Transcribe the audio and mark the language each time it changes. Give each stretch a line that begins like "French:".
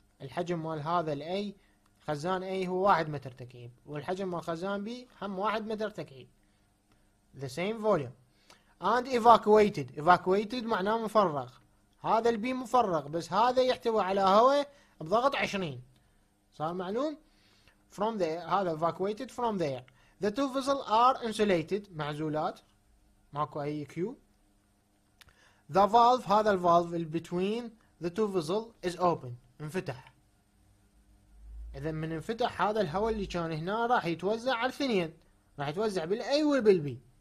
Arabic: الحجم مال هذا الاي خزان اي هو 1 متر تكعيب، والحجم مال خزان بي هم 1 متر تكعيب،
English: the same volume and evacuated.
Arabic: evacuated معناه مفرغ، هذا البي مفرغ بس هذا يحتوي على هواء بضغط 20، صار معلوم؟
English: from there،
Arabic: هذا evacuated from there.
English: The two vessels are insulated،
Arabic: معزولات ماكو اي كيو.
English: The valve،
Arabic: هذا الفالف
English: in between the two vessels is open،
Arabic: انفتح. اذا من انفتح هذا الهواء اللي كان هنا راح يتوزع على الاثنين، راح يتوزع بالاي والبي.